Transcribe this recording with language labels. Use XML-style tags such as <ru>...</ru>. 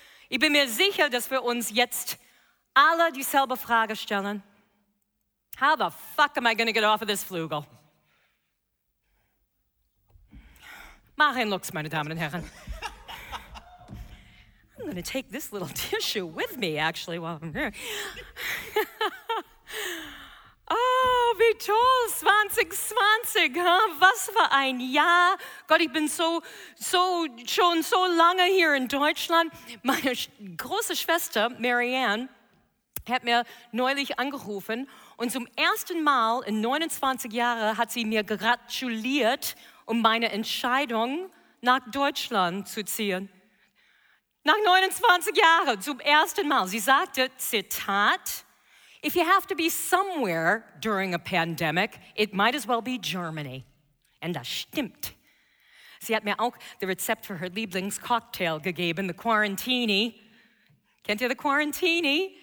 <de>Ich bin mir sicher, dass wir uns jetzt alle dieselbe Frage stellen.</de> <en>How the fuck am I gonna get off of this Flügel?</en> <de>Machen Lux, meine Damen und Herren.</de> <en>I'm gonna take this little tissue with me, actually, while I'm here.</en> <de>Oh, wie toll, 2020, huh? Was für ein Jahr. Gott, ich bin schon so lange hier in Deutschland. Meine große Schwester, Marianne, hat mir neulich angerufen und zum ersten Mal in 29 Jahren hat sie mir gratuliert, um meine Entscheidung nach Deutschland zu ziehen. Nach 29 Jahren, zum ersten Mal. Sie sagte, Zitat,</de> <en>if you have to be somewhere during a pandemic, it might as well be Germany.</en> <de>And das stimmt. Sie hat mir auch das Rezept für her Lieblingscocktail gegeben, the Quarantini. Kennt ihr the Quarantini?</de>